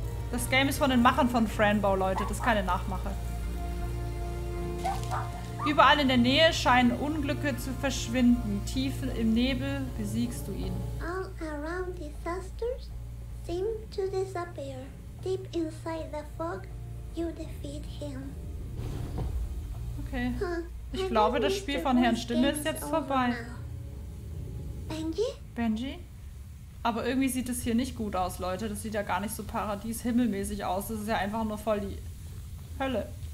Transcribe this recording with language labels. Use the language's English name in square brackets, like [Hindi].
[German] Das Game ist von den Machern von Franbo, Leute. Das ist keine Nachmache. Überall in der Nähe scheinen Unglücke zu verschwinden. Tief im Nebel besiegst du ihn. [English] All around disasters seem to disappear. Deep inside the fog, you defeat him. Okay. [German] Ich glaube, das Spiel von Herrn Stimme ist jetzt vorbei. Benji? Benji? Aber irgendwie sieht es hier nicht gut aus, Leute. Das sieht ja gar nicht so paradieshimmelmäßig aus. Das ist ja einfach nur voll die Hölle.